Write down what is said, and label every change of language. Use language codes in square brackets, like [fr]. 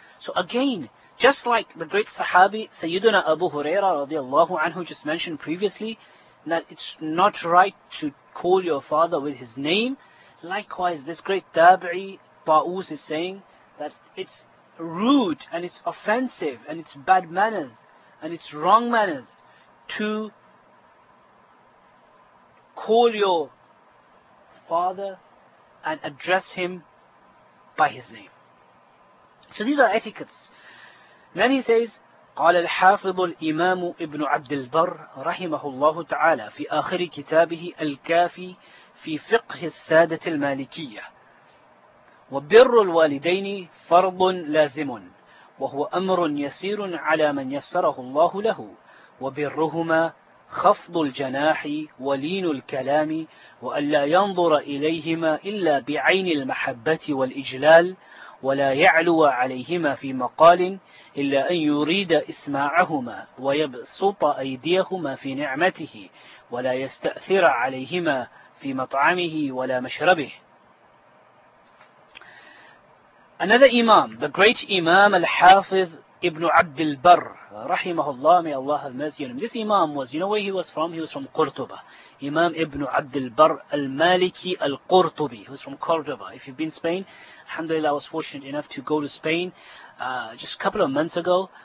[en] So again, just like the great Sahabi Sayyidina Abu Huraira radiallahu anhu just mentioned previously, that it's not right to call your father with his name, likewise this great Tabi'i Ta'us is saying that it's rude and it's offensive and it's bad manners and it's wrong manners to call your father and address him by his name. So these are etiquettes. Then he says, [ar] قال الحافظ الإمام ابن عبد البر رحمه الله تعالى في آخر كتابه الكافي في فقه السادة المالكية وبر الوالدين فرض لازم وهو أمر يسير على من يسره الله له وبرهما خفض الجناح ولين الكلام وأن لا ينظر إليهما إلا بعين المحبة والإجلال ولا يعلو عليهما في مقال إلا أن يريد إسماعهما ويبسط أيديهما في نعمته ولا يستأثر عليهما في مطعمه ولا مشربه. [en] Another Imam, the great Imam Al-Hafiz Ibn Abd al-Barr, [ar] رحمه الله, [en] may Allah have mercy on him. This Imam was, you know where he was from? He was from Qurtuba. Imam Ibn Abd al-Barr al-Maliki al-Qurtubi. He was from Qurtuba. If you've been to Spain, alhamdulillah, I was fortunate enough to go to Spain just a couple of months ago.